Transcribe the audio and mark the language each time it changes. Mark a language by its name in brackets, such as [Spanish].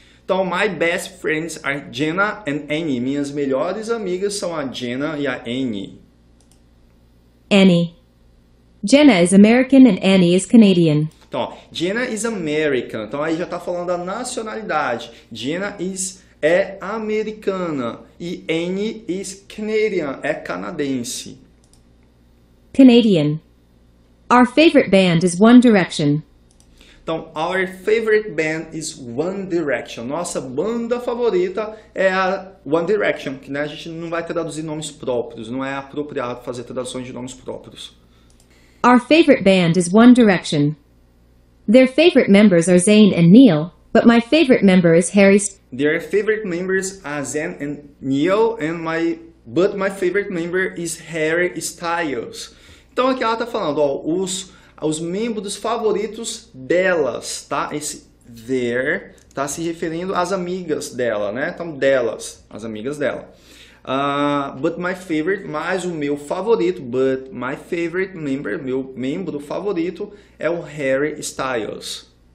[English] Então, my best friends are Jenna and Annie. [Portuguese] Minhas melhores amigas são a Jenna e a Annie. [English] Annie. Jenna is American and Annie is Canadian. [Portuguese] Então, [English] Jenna is American. [Portuguese] Então, aí já está falando da nacionalidade. Jenna é americana. E [English] Annie is Canadian. [Portuguese] É canadense. [English] Canadian. Our favorite band is One Direction. Então, our favorite band is One Direction. [Portuguese] Nossa banda favorita é a One Direction. Que, né, a gente não vai traduzir nomes próprios. Não é apropriado fazer traduções de nomes próprios. [English] Our favorite band is One Direction. Their favorite members are Zayn and Neil, but my favorite member is Harry. Their favorite members are Zayn and Neil, but my favorite member is Harry Styles. [Portuguese] Então aqui ela está falando, ó, os membros favoritos delas, tá? Esse their está se referindo às amigas dela, né? Então delas, as amigas dela. [English] But my favorite, [Portuguese] mais o meu favorito, [English] but my favorite member, [Portuguese] meu membro favorito, é o Harry Styles.